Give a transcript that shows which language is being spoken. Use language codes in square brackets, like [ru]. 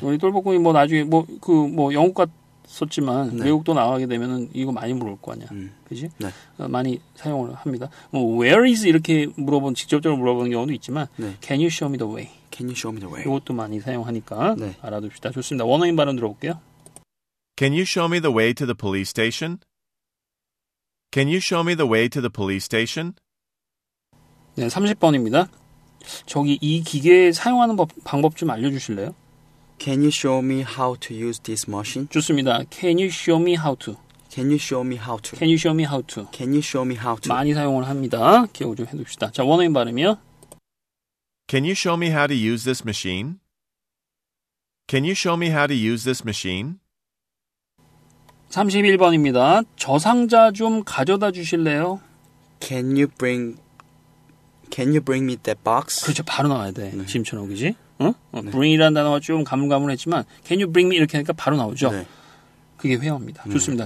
[ko] 우리 똘복궁이 뭐 나중에 뭐 그 뭐 영국 갔었지만 네. 외국도 나가게 되면은 이거 많이 물을 거 아니야. 그지? 네. 많이 사용을 합니다. 뭐 [en] where is [ko] 이렇게 물어본 직접적으로 물어보는 경우도 있지만 네. [en] Can you show me the way? Can you show me the way? [ko] 이것도 많이 사용하니까 네. 알아둡시다. 좋습니다. 원어민 발음 들어볼게요. [en] Can you show me the way to the police station? Can you show me the way to the police station? [ko] 네, 30번입니다. 저기 이 기계 사용하는 방법 좀 알려주실래요? [en] Can you show me how to use this machine? [ko] 좋습니다. [en] Can you show me how to? Can you show me how to? Can you show me how to? Can you show me how to? [ko] 많이 사용을 합니다. 기억 좀 해둡시다. 자, 원어민 발음이요. [en] Can you show me how to use this machine? Can you show me how to use this machine? [ko] 31번입니다. 저 상자 좀 가져다 주실래요? [en] Can you bring me that box? [ko] 그렇죠. 바로 나와야 돼. 네. 짐처럼, 그지? 응? 네. bring이라는 단어가 좀 가물가물했지만 [en] Can you bring me [ko] 이렇게 하니까 바로 나오죠? 네. 그게 회화입니다. 네. 좋습니다.